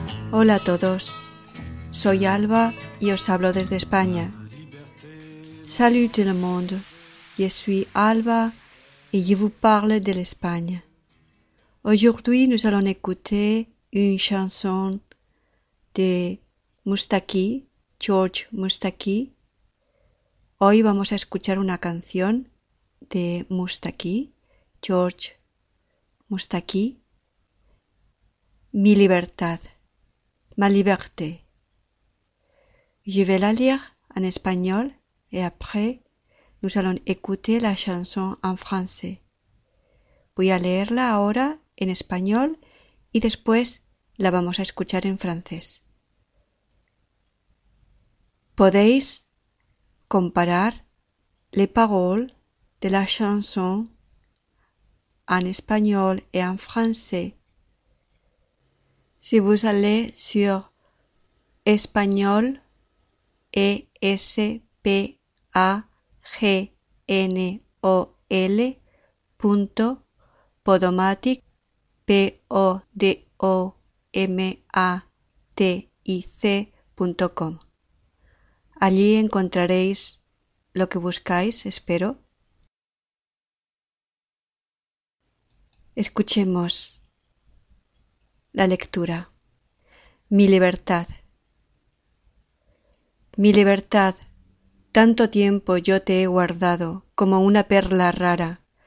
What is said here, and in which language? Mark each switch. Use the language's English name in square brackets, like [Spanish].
[Spanish] Hola a todos, soy Alba y os hablo desde España. [French] Salut tout le monde, je suis Alba et je vous parle de l'Espagne. Aujourd'hui, nous allons écouter une chanson de Moustaki, George Moustaki. [Spanish] Hoy vamos a escuchar una canción de Moustaki, George Moustaki. Mi libertad, ma liberté. [French] Je vais la lire [Spanish] en español [French] et après nous allons écouter la chanson en français. [Spanish] Voy a leerla ahora en español y después la vamos a escuchar en francés. Podéis comparar [French] les paroles de la chanson [Spanish] en español [French] et en français. Si vous allez sur espagnol, espagnol, punto, podomatic, podomatic, punto com. [Spanish] Allí encontraréis lo que buscáis, espero. Escuchemos la lectura. Mi libertad. Mi libertad, tanto tiempo yo te he guardado como una perla rara.